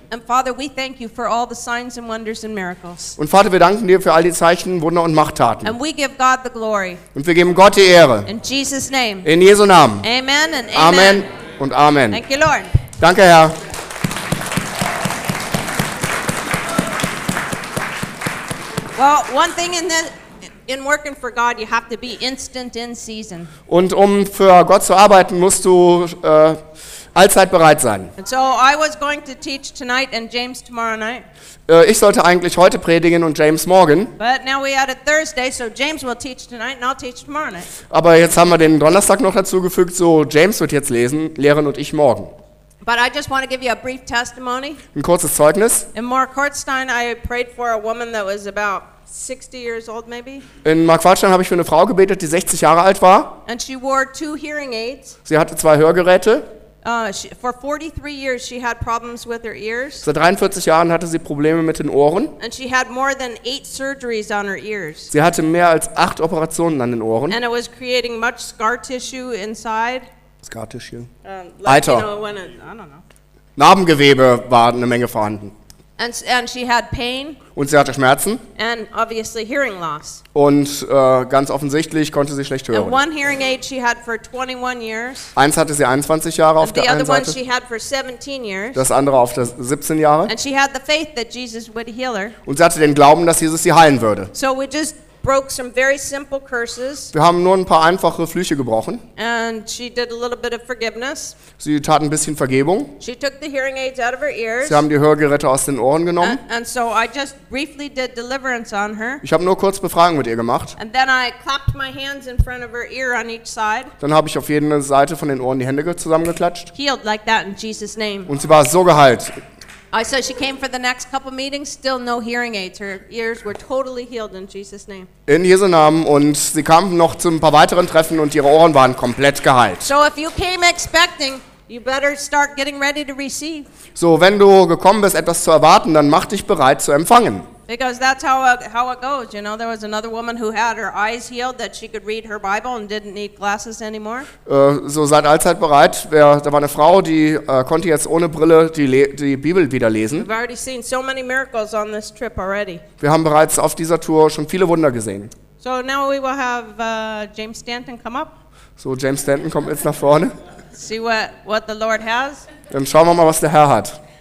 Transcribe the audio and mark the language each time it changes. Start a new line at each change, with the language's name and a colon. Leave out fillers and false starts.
English: And Father, we thank you for all the signs and wonders and miracles.
German: Und Vater, wir danken dir für all die Zeichen, Wunder und Machttaten.
English: And we give God the glory.
German: Und wir geben Gott die Ehre.
English: In Jesus' name.
German: In Jesu Namen.
English: Amen and amen.
German: Amen und Amen.
English: Thank you, Lord.
German: Danke, Herr.
English: Well, one thing in this. In working for God, you have to be instant in season.
German: Und um für Gott zu arbeiten, musst du allzeit bereit sein.
English: And so I was going to teach tonight and James tomorrow night.
German: Ich sollte eigentlich heute predigen und James morgen.
English: But now we added Thursday, so James will teach tonight and I'll teach tomorrow night.
German: Aber jetzt haben wir den Donnerstag noch dazugefügt, so James wird jetzt lesen, lehren und ich morgen.
English: But I just want to give you a brief testimony.
German: Ein kurzes Zeugnis.
English: In Mark Hartstein, I prayed for a woman that was about 60 years old maybe.
German: In Mark Hartstein habe ich für eine Frau gebetet, die 60 Jahre alt war.
English: And she wore two hearing aids.
German: Sie hatte zwei Hörgeräte.
English: For 43 years she had problems with her ears.
German: Seit 43 Jahren hatte sie Probleme mit den Ohren.
English: And she had more than 8 surgeries on her ears.
German: Sie hatte mehr als 8 Operationen an den Ohren.
English: And it was creating much scar tissue inside. Scar tissue. Alter. I don't know.
German: Narbengewebe war eine Menge vorhanden.
English: And she had pain.
German: Und sie hatte Schmerzen.
English: And obviously hearing loss.
German: Und ganz offensichtlich konnte sie schlecht hören.
English: And one hearing aid she had for 21 years.
German: Eins hatte sie 21 Jahre auf der einen Seite.
English: The other one she had for 17 years.
German: Das andere auf der 17 Jahre.
English: And she had the faith that Jesus would heal her.
German: Und sie hatte den Glauben, dass Jesus sie heilen würde.
English: So we just broke some very simple curses.
German: Wir haben nur ein paar einfache Flüche gebrochen.
English: And she did a little bit of forgiveness.
German: Sie tat ein bisschen Vergebung.
English: She took the hearing aids out of her ears.
German: Sie haben die Hörgeräte aus den Ohren genommen.
English: And so I just briefly did deliverance on her.
German: Ich habe nur kurz Befreiung mit ihr gemacht.
English: And then I clapped my hands in front of her ear on each side.
German: Dann habe ich auf jede Seite von den Ohren die Hände zusammengeklatscht.
English: Healed like that in Jesus' name.
German: Und sie war so geheilt.
English: I said she came for the next couple meetings, still no hearing aids. Her ears were totally healed in Jesus' name.
German: In Jesu Namen, und sie kam noch zu ein paar weiteren Treffen und ihre Ohren waren komplett geheilt.
English: So if you came expecting, you better start getting ready to receive.
German: So wenn du gekommen bist, etwas zu erwarten, dann mach dich bereit zu empfangen.
English: Because that's how it goes, you know. There was another woman who had her eyes healed that she could read her Bible and didn't need glasses anymore.
German: So seid allzeit bereit. Da war eine Frau, die konnte jetzt ohne Brille die Bibel wieder lesen.
English: We've already seen so many miracles on this trip already.
German: Wir haben bereits auf dieser Tour schon viele Wunder gesehen.
English: So now we will have James Stanton come up.
German: So James Stanton kommt jetzt nach vorne.
English: See what the Lord has.
German: Dann schauen wir mal, was der Herr hat.